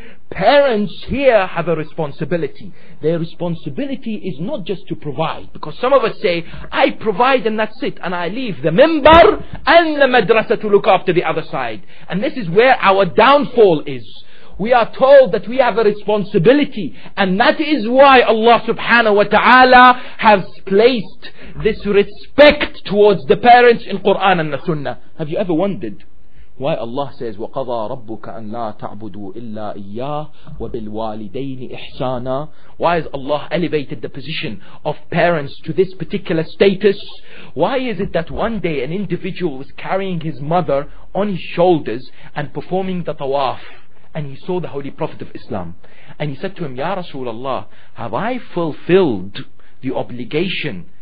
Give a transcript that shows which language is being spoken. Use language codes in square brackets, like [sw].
[en] Parents here have a responsibility. Their responsibility is not just to provide, because some of us say, I provide and that's it, and I leave the minbar and the madrasa to look after the other side. And this is where our downfall is. We are told that we have a responsibility, and that is why Allah subhanahu wa ta'ala has placed this respect towards the parents in Quran and the Sunnah. Have you ever wondered why Allah says, [ar] وَقَضَى رَبُّكَ أَن لَا تَعْبُدُوا إِلَّا إِيَّاهُ وَبِالْوَالِدَيْنِ إِحْسَانًا? [en] Why has Allah elevated the position of parents to this particular status? Why is it that one day an individual was carrying his mother on his shoulders and performing the tawaf, and he saw the Holy Prophet of Islam, and he said to him, Ya Rasulullah, have I fulfilled the obligation